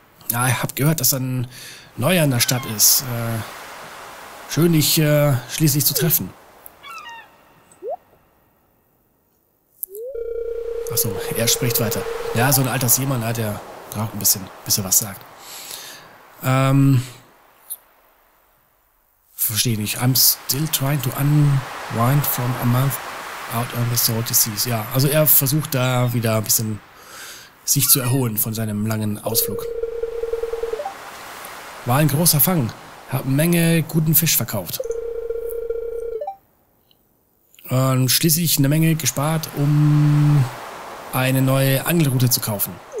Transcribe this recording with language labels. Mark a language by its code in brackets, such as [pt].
[de] Ja, ich hab gehört, dass ein Neuer in der Stadt ist. Schön, dich schließlich zu treffen. Achso, er spricht weiter. Ja, so ein alter Seemann, der braucht ein bisschen, bis er was sagt. Verstehe nicht. [en] I'm still trying to unwind from a month out on the salty seas. [de] Ja, also er versucht da wieder ein bisschen sich zu erholen von seinem langen Ausflug. War ein großer Fang. Hab eine Menge guten Fisch verkauft. Und schließlich eine Menge gespart, um eine neue Angelroute zu kaufen.